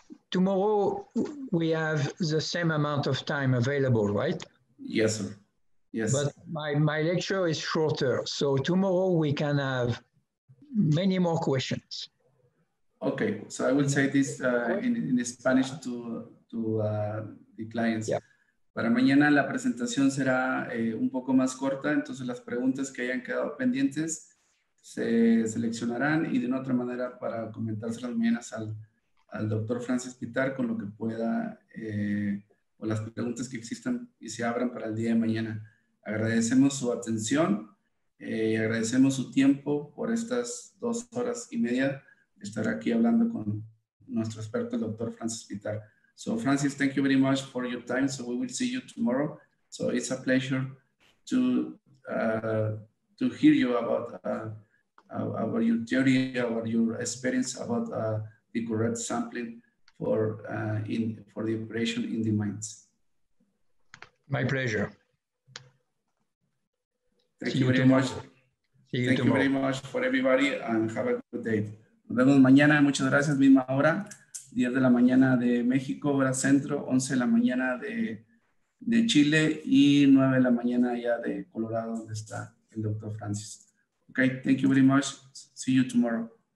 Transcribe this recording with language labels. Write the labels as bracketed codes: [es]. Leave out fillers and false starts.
[en] Tomorrow we have the same amount of time available, right? Yes, sir. Yes. But my lecture is shorter, so tomorrow we can have many more questions. Okay, so I will say this in Spanish to the clients. Yeah. [es] Para mañana la presentación será un poco más corta, entonces las preguntas que hayan quedado pendientes se seleccionarán y de una otra manera para comentárselas mañana al doctor Francis Pitar con lo que pueda o las preguntas que existan y se abran para el día de mañana. Agradecemos su atención, agradecemos su tiempo por estas 2 horas y media de estar aquí hablando con nuestro experto, el doctor Francis Pitar. [en] So Francis, thank you very much for your time. So we will see you tomorrow. So it's a pleasure to hear you about your theory, about your experience, about the correct sampling for the operation in the mines. My pleasure. Thank you very much for everybody and have a good day. [es] Nos vemos mañana, muchas gracias, misma hora, 10 de la mañana de México, hora centro, 11 de la mañana de Chile y 9 de la mañana ya de Colorado, donde está [en] and Dr. Francis. Okay, thank you very much. See you tomorrow.